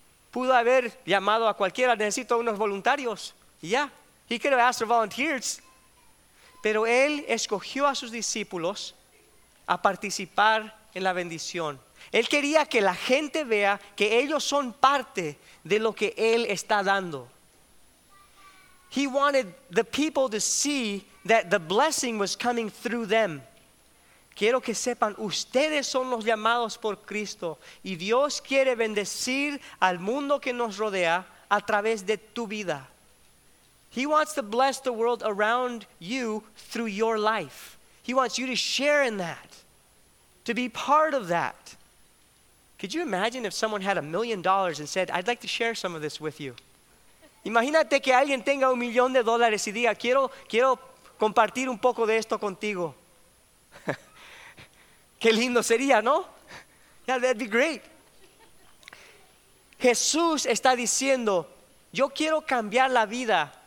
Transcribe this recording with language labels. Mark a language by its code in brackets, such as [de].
[es] Pudo haber llamado a cualquiera, necesito unos voluntarios. [en] Yeah, he could have asked for volunteers. [es] Pero él escogió a sus discípulos a participar en la bendición. Él quería que la gente vea que ellos son parte de lo que él está dando. [en] He wanted the people to see that the blessing was coming through them. Quiero que sepan, ustedes son los llamados por Cristo y Dios quiere bendecir al mundo que nos rodea a través de tu vida. He wants to bless the world around you through your life. He wants you to share in that, to be part of that. Could you imagine if someone had $1,000,000 and said, I'd like to share some of this with you? [es] Imagínate que alguien tenga $1,000,000 y diga, quiero compartir un poco de esto contigo. Qué lindo sería, ¿no? [en] Yeah, that'd be great. [es] Jesús está diciendo, yo quiero cambiar la vida.